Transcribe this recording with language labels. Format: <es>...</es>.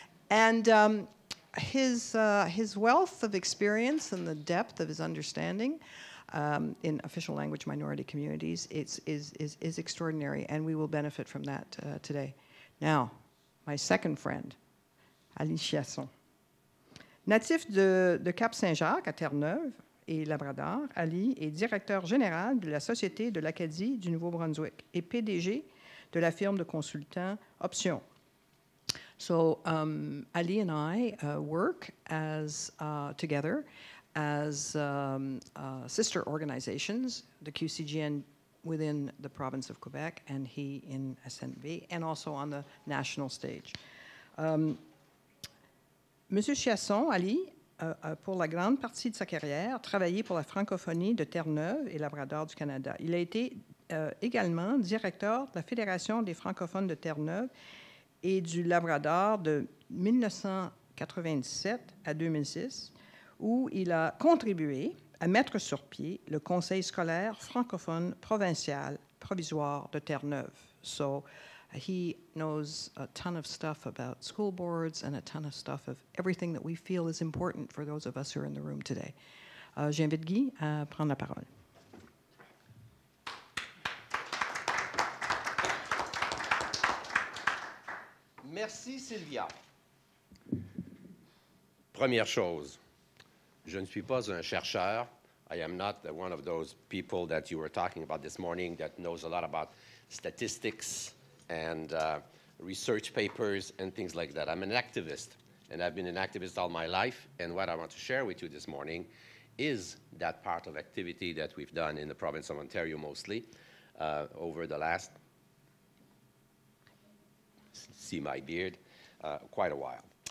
<en>And his wealth of experience and the depth of his understanding in official language minority communities is extraordinary, and we will benefit from that today. Now, my second friend, Ali Chiasson.</en> <fr>Natif de Cap-Saint-Jacques à Terre-Neuve et Labrador, Ali est directeur général de la Société de l'Acadie du Nouveau-Brunswick et PDG de la firme de consultants Option.</fr> <en>So Ali and I work together as sister organizations, the QCGN within the province of Quebec and he in SNV, and also on the national stage.</en> <fr>Monsieur Chiasson, Ali, pour la grande partie de sa carrière, travaillé pour la francophonie de Terre-Neuve et Labrador du Canada. Il a été également directeur de la Fédération des francophones de Terre-Neuve et du Labrador de 1997 à 2006, où il a contribué à mettre sur pied le Conseil scolaire francophone provincial provisoire de Terre-Neuve.</fr> <en>So, he knows a ton of stuff about school boards and a ton of stuff of everything that we feel is important for those of us who are in the room today.</en> <fr>J'invite Guy à prendre la parole. Merci, Sylvia. Première chose, je ne suis pas un chercheur.</fr> <en>I am not one of those people that you were talking about this morning that knows a lot about statistics and research papers and things like that. I'm an activist, and I've been an activist all my life. And what I want to share with you this morning is that part of activity that we've done in the province of Ontario mostly over the last, see my beard, quite a while.</en>